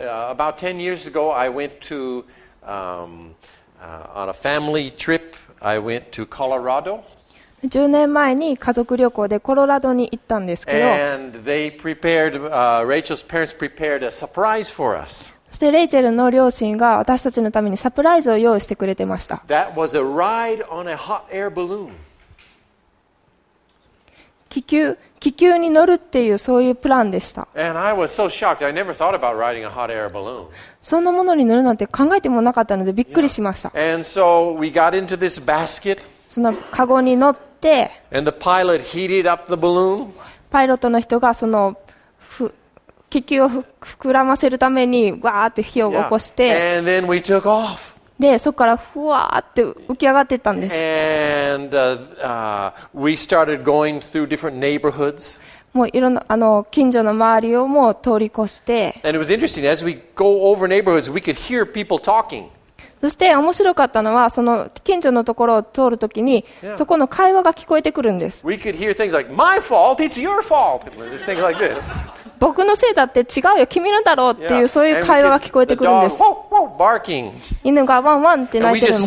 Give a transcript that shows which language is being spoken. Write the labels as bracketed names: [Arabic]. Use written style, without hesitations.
[English] About 10 years ago, I went to, on a family trip, I went to Colorado. [Japanese] 10年前に家族旅行でコロラドに行ったんですけど、 [English] And they prepared, Rachel's parents prepared a surprise for us. [Japanese] そしてレイチェルの両親が私たちのためにサプライズを用意してくれてました。 [English] That was a ride on a hot air balloon. [Japanese] 気球に乗るっていうそういうプランでした。 [English] And I was so shocked. I never thought about riding a hot air balloon. [Japanese] そんなものに乗るなんて考えてもなかったのでびっくりしました。 Yeah. [English] And so we got into this basket. [Japanese] そのカゴに乗って。 [English] And the pilot heated up the balloon. [Japanese] パイロットの人がその気球を膨らませるためにわーって火を起こして。 [English] Yeah. And then we took off. [Japanese] で、そこからふわーって浮き上がっていったんです。 [English] And, we started going through different neighborhoods. [Japanese] もういろんな近所の周りをもう通り越して。 [English] And it was interesting, as we go over neighborhoods, we could hear people talking. [Japanese] そして面白かったのは、その近所のところを通るときに、yeah. そこの会話が聞こえてくるんです。 [English] We could hear things like, my fault, it's your fault! These things like this. [Japanese] 僕のせいだって違うよ、君のだろうっていう、そういう会話が聞こえてくるんです。犬がワンワンって鳴いてるのも